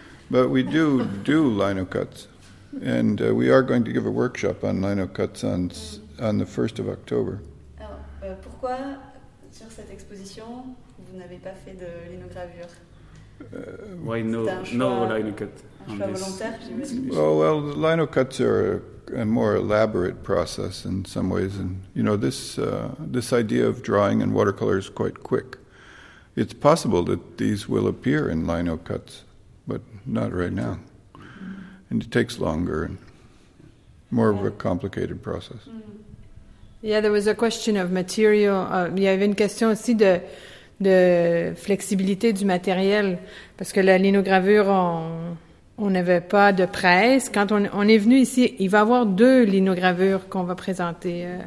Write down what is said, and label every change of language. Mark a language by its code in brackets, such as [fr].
[en] But we do lino cuts, and we are going to give a workshop on lino cuts on the 1st of October. [fr] Pourquoi sur cette exposition vous n'avez pas fait de lino gravure? [en] Why no lino cut? Well, the lino cuts are a more elaborate process in some ways, and you know this idea of drawing in watercolor is quite quick. It's possible that these will appear in lino cuts, but not right now. Mm-hmm. And it takes longer and more of a complicated process. Mm-hmm. Yeah, there was a question of material. [fr] Il y avait une question aussi de flexibilité du matériel, parce que la linogravure, on n'avait pas de presse. Quand on est venu ici, il va y avoir deux linogravures qu'on va présenter.